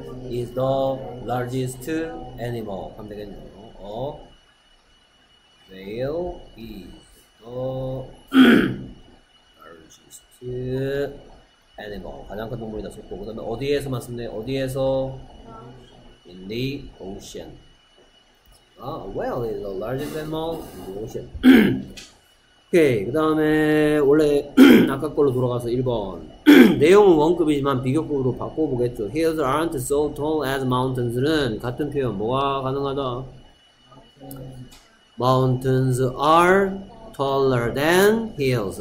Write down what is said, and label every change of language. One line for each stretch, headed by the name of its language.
English: Is the largest animal. 하면 되겠네요. Whale is the largest animal.
Korean: 가장 큰 동물이다. 좋고. 그 다음에 어디에서만 쓴대? 어디에서?
English: In the ocean. Whale is the largest animal in the ocean.
Korean: 오케이. 그 다음에 원래 아까 걸로 돌아가서 1번. 내용은 원급이지만 비교급으로 바꿔보겠죠.
English: Hills aren't so tall as mountains는
Korean: 같은 표현. 뭐가 가능하다?
English: Mountains are taller than hills.